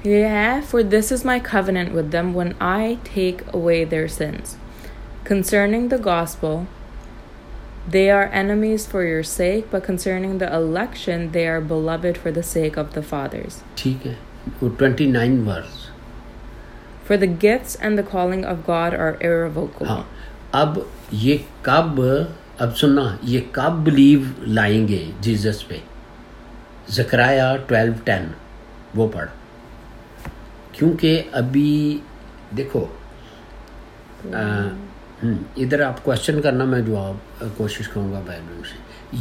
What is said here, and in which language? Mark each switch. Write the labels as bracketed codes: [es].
[en] Yeah, for this is my covenant with them when I take away their sins. Concerning the gospel, they are enemies for your sake, but concerning the election, they are beloved for the sake of the fathers. [hi] ठीक है, वो 29 verse. [en] For the gifts and the calling of God are irrevocable. [hi] हाँ, अब ये कब, अब सुनना, ये कब believe लाएंगे जीसस पे? ज़करायाह 12:10, वो पढ़. क्योंकि अभी देखो इधर आप क्वेश्चन करना, मैं जवाब कोशिश करूंगा बाइबल से.